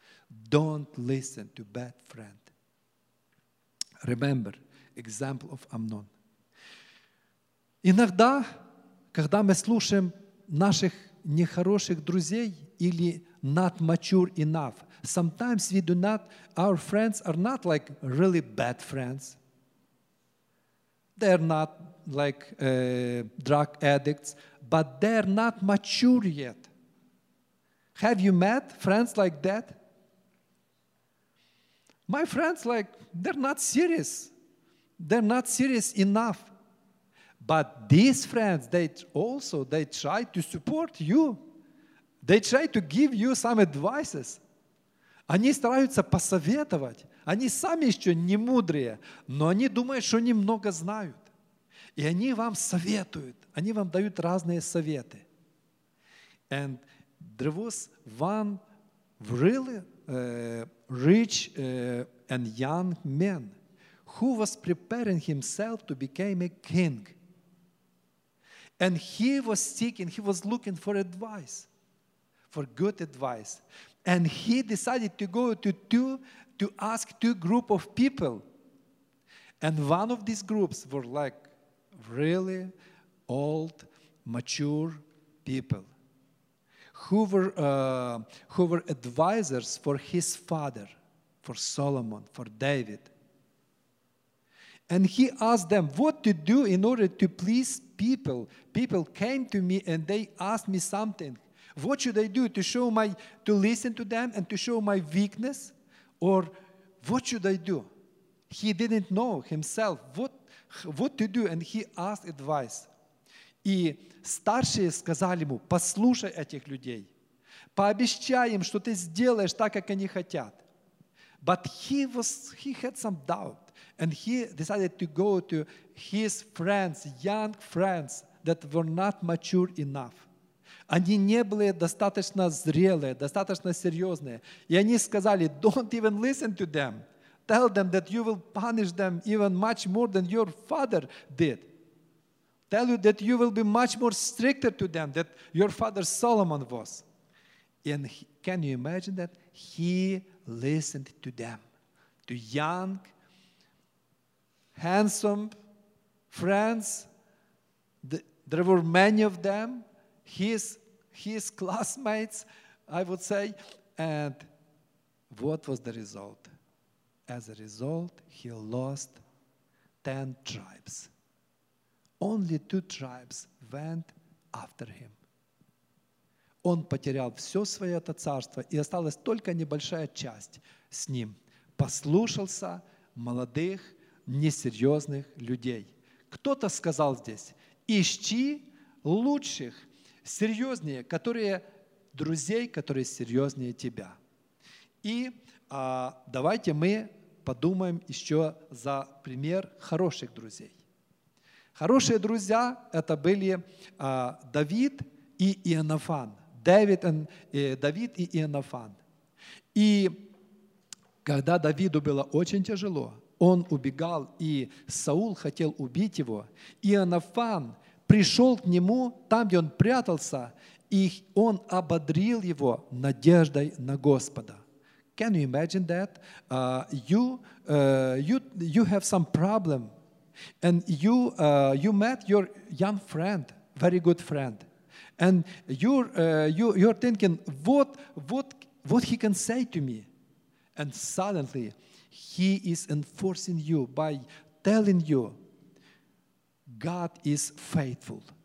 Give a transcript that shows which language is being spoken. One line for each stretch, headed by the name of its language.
English: Don't listen to bad friend. Remember example of Амнон.
Russian: Иногда, когда мы слушаем наших нехороших друзей или
English: not mature enough, sometimes we do not, our friends are not like really bad friends. They're not like drug addicts, but they're not mature yet. Have you met friends like that? My friends, like, they're not serious. They're not serious enough. But these friends, they try to support you. They try to give you some advices.
Russian: Они стараются посоветовать. Они сами еще не мудрые, но они думают, что они много знают. И они вам советуют. Они вам дают разные советы.
English: And there was one really rich and young man who was preparing himself to become a king. And he was seeking, he was looking for advice, for good advice. And he decided to go to ask two group of people. And one of these groups were like really old, mature people who were advisors for his father, for Solomon, for David. And he asked them what to do in order to please people. People came to me and they asked me something. What should I do to listen to them and to show my weakness? Or what should I do? He didn't know himself what to do, and he asked advice.
Russian: И старшие сказали ему, послушай этих людей. Пообещай им, что ты сделаешь так, как они хотят.
English: But he had some doubt, and he decided to go to his friends, young friends, that were not mature enough.
Russian: Они не были достаточно зрелые, достаточно серьезные. И они сказали,
English: don't even listen to them. Tell them that you will punish them even much more than your father did. Tell you that you will be much more stricter to them than your father Solomon was. And can you imagine that? He listened to them, to young, handsome friends. There were many of them. His classmates, I would say. And what was the result? As a result, he lost 10 tribes. Only 2 tribes went after him.
Russian: Он потерял все свое это царство, и осталась только небольшая часть с ним. Послушался молодых, несерьезных людей. Кто-то сказал здесь, ищи лучших, серьезнее, которые друзей, которые серьезнее тебя. И давайте мы подумаем еще за пример хороших друзей. Хорошие друзья – это были Давид и Иоаннафан. Давид и Иоаннафан. И когда Давиду было очень тяжело, он убегал, и Саул хотел убить его. Иоаннафан пришел к нему там, где он прятался, и он ободрил его надеждой на Господа.
English: Can you imagine that? You have some problem, and you met your young friend, very good friend, and you're thinking what he can say to me, and suddenly he is enforcing you by telling you God is faithful.